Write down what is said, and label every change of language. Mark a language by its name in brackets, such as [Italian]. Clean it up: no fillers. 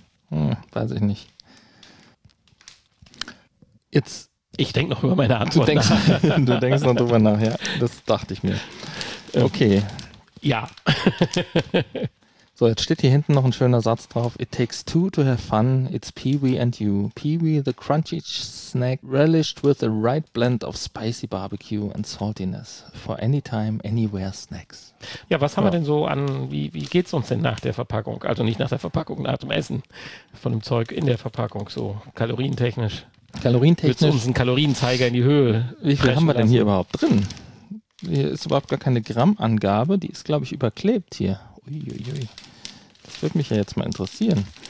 [German] Weiß ich nicht. Ich denke noch über meine Antwort Du denkst noch drüber nach, ja. Das dachte ich mir. Okay. Ja. So, jetzt steht hier hinten noch ein schöner Satz drauf. [English] It takes two to have fun. It's Peewee and you. Peewee, the crunchy snack, relished with the right blend of spicy barbecue and saltiness. For anytime, anywhere snacks. [German] Ja, was haben wir denn so an, wie geht's uns denn nach der Verpackung? Also nicht nach der Verpackung, nach dem Essen von dem Zeug in der Verpackung, so kalorientechnisch. Kalorientechnisch? Willst du uns einen Kalorienzeiger in die Höhe? Wie viel haben wir denn hier überhaupt drin? hier ist überhaupt gar keine Grammangabe. Die ist, glaube ich, überklebt hier. Uiuiui. Das würde mich ja jetzt mal interessieren.